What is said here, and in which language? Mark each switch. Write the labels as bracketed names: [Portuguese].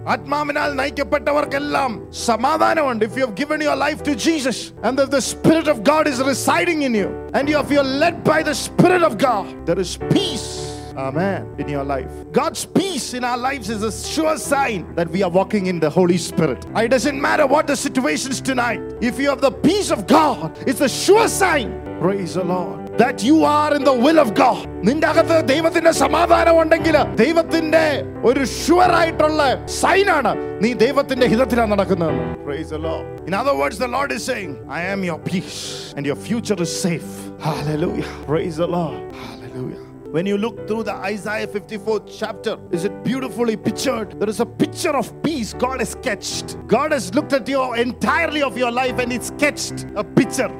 [Malayalam] Atmaminal naikkappettavarkellam samadhanam undu. [English] If you have given your life to Jesus and that the Spirit of God is residing in you and if you are led by the Spirit of God, there is peace. Amen. In your life, God's peace in our lives is a sure sign that we are walking in the Holy Spirit. It doesn't matter what the situation is tonight. If you have the peace of God, it's a sure sign, praise the Lord, that you are in the will of God. [Malayalam] നിന്റകത്ത് ദൈവത്തിന്റെ സമാധാനം ഉണ്ടെങ്കിൽ ദൈവത്തിന്റെ ഒരു sure ആയിട്ടുള്ള സൈനാണ് നീ ദൈവത്തിന്റെ ഹിതത്തിലാണ് നടക്കുന്നത്. [English] Praise the Lord. In other words, the Lord is saying, I am your peace and your future is safe. Hallelujah. Praise the Lord. Hallelujah. When you look through the Isaiah 54th chapter, is it beautifully pictured? There is a picture of peace God has sketched. God has looked at your entirely of your life and he sketched a picture.